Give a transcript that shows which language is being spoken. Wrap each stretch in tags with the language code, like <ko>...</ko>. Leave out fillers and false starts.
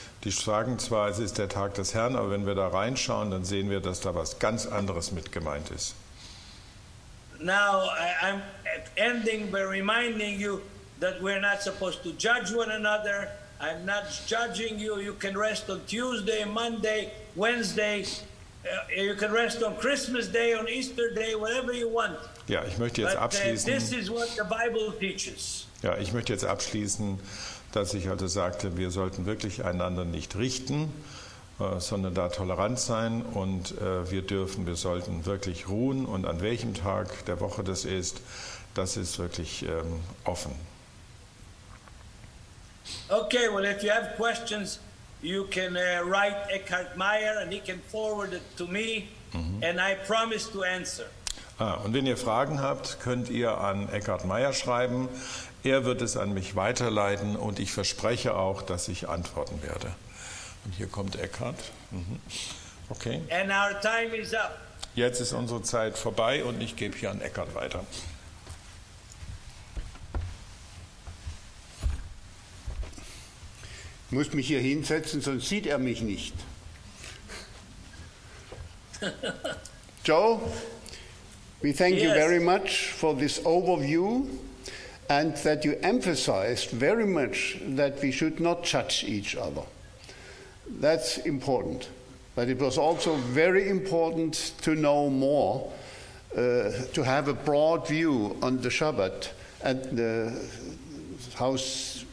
<de>Die sagen zwar, es ist der Tag des Herrn, aber wenn wir da reinschauen, dann sehen wir, dass da was ganz anderes mit gemeint ist.</de> <en>Now I'm ending by reminding you that we're not supposed to judge one another. I'm not judging you. You can rest on Tuesday, Monday, Wednesday. You can rest on Christmas Day, on Easter Day, whatever you want.</en> <de>Ja, ich möchte jetzt abschließen.</de> <en>But, this is what the Bible teaches.</en> <de>Ja, ich möchte jetzt abschließen, dass ich also sagte, wir sollten wirklich einander nicht richten, sondern da tolerant sein. Und wir sollten wirklich ruhen. Und an welchem Tag der Woche das ist wirklich offen.</de> <en>Okay, well, if you have questions, you can write Eckhard Meyer and he can forward it to me and I promise to answer.</en> <de>Ah, und wenn ihr Fragen habt, könnt ihr an Eckhard Meyer schreiben. Er wird es an mich weiterleiten und ich verspreche auch, dass ich antworten werde. Und hier kommt Eckhard. Okay.</de> <en>And our time is up.</en> <de>Jetzt ist unsere Zeit vorbei und ich gebe hier an Eckhard weiter. Ich muss mich hier hinsetzen, sonst sieht er mich nicht.</de> <en>Joe, we thank you very much for this overview and that you emphasized very much that we should not judge each other. That's important. But it was also very important to know more, to have a broad view on the Shabbat and the house.</en>